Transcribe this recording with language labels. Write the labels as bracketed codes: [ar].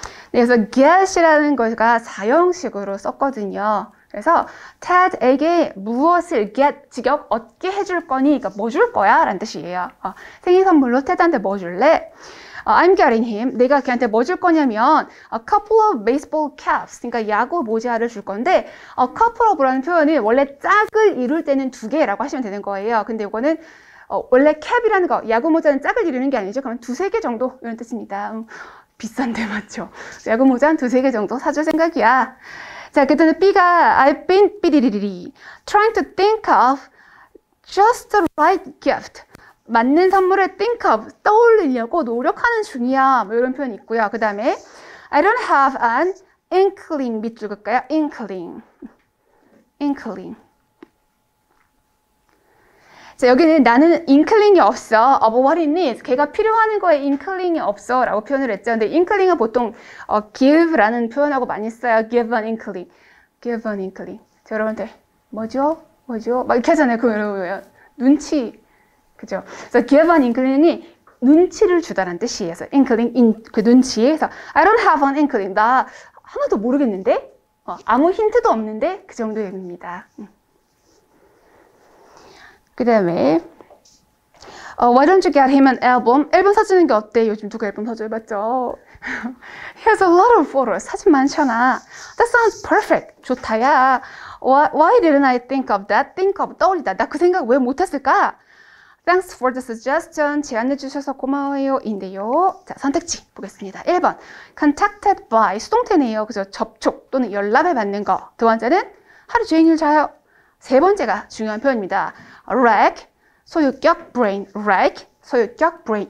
[ko] 그래서 get이라는 거가 사형식으로 썼거든요. 그래서 Ted에게 무엇을 get 직역 얻게 해줄 거니? 그러니까 뭐줄 거야? 라는 뜻이에요. 생일 선물로 Ted한테 뭐 줄래? [en] I'm getting him. [ko] 내가 걔한테 뭐줄 거냐면 [en] a couple of baseball caps. [ko] 그러니까 야구 모자를 줄 건데 a couple of라는 표현이 원래 짝을 이룰 때는 두 개라고 하시면 되는 거예요. 근데 이거는 원래 캡이라는 거 야구 모자는 짝을 이루는 게 아니죠. 그러면 두세 개 정도 이런 뜻입니다. 비싼데 맞죠? 야구 모자 한 두세 개 정도 사줄 생각이야. 자, 그랬더니 B가 [en] I've been 삐리리리 trying to think of just the right gift. [ko] 맞는 선물을 think of, 떠올리려고 노력하는 중이야. 뭐 이런 표현이 있고요. 그 다음에 [en] I don't have an inkling [ko] 밑줄 그을까요? [en] Inkling. Inkling. [ko] 자, 여기는 나는 inkling이 없어. [en] What he needs. [ko] 걔가 필요하는 거에 inkling이 없어. 라고 표현을 했죠. 근데 inkling은 보통 give라는 표현하고 많이 써요. [en] Give an inkling. Give an inkling. [ko] 자, 여러분들, 뭐죠? 뭐죠? 막 이렇게 하잖아요. 그러면 눈치. 그죠? 그래서 give an inkling이 눈치를 주다는 뜻이에요. 그래서 inkling, 그 눈치에서 [en] I don't have an inkling. [ko] 나 하나도 모르겠는데? 아무 힌트도 없는데? 그 정도의 의미입니다. 그 다음에 [en] why don't you get him an album? [ko] 앨범 사주는 게 어때? 요즘 누가 앨범 사줘요? 맞죠? [en] He has a lot of photos. [ko] 사진 많잖아. [en] That sounds perfect. [ko] 좋다야. [en] Why didn't I think of that? Think of, [ko] 떠올리다. 나그 생각 왜 못했을까? [en] Thanks for the suggestion. [ko] 제안해 주셔서 고마워요. 인데요. 자, 선택지 보겠습니다. 1번. Contacted by. 수동태네요. 그래서 접촉 또는 연락을 받는 거. 두 번째는 하루 종일 자요. 세 번째가 중요한 표현입니다. [en] Rag. [ko] 소유격 [en] brain. Rag. 소유격 brain.